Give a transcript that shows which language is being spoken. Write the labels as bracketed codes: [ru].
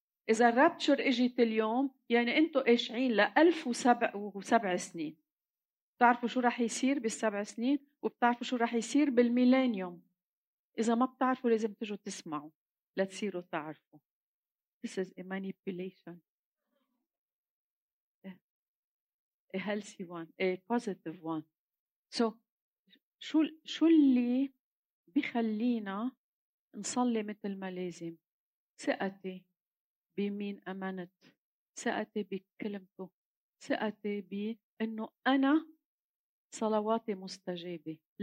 [ar] إذا الرابتشر إجيت اليوم، يعني أنتوا قاشعين لألف وسبع سنين. بتعرفوا شو رح يصير بالسبع سنين، وبتعرفوا شو رح يصير بالميلينيوم. إذا ما بتعرفوا لازم تجوا تسمعوا لتصيروا تعرفوا. [en] This is a manipulation. A healthy one. A positive one. [ar] So, شو اللي بيخلينا نصلي مثل ما لازم؟ ثقتي بمين أمنت، ثقتي بكلمته، ثقتي بأنه أنا صلواتي مستجابة.